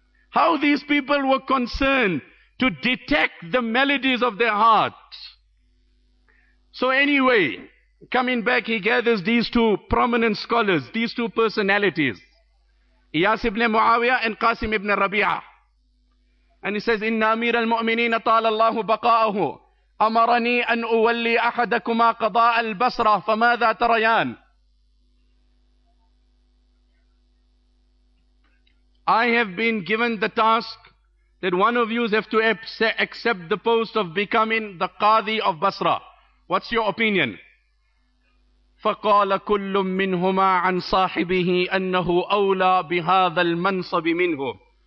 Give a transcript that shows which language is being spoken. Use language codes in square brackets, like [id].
[en] How these people were concerned to detect the maladies of their heart. So anyway, coming back, he gathers these two prominent scholars, these two personalities, Iyas ibn Muawiyah and Qasim ibn Rabi'ah. And he says, [ar] إِنَّ أَمِيرَ الْمُؤْمِنِينَ طَالَ اللَّهُ بَقَاءَهُ أَمَرَنِي أَنْ أُوَلِّي أَحَدَكُمَا قَضَاءَ الْبَصْرَةِ فَمَاذَا تَرَيَانَ. [en] I have been given the task that one of you have to accept the post of becoming the Qadi of Basra. What's your opinion? [ar] فَقَالَ كُلُّ مِّنْهُمَا عَنْ صَاحِبِهِ أَنَّهُ أَوْلَى بِهَذَا الْمَنْصَبِ مِنْهُ.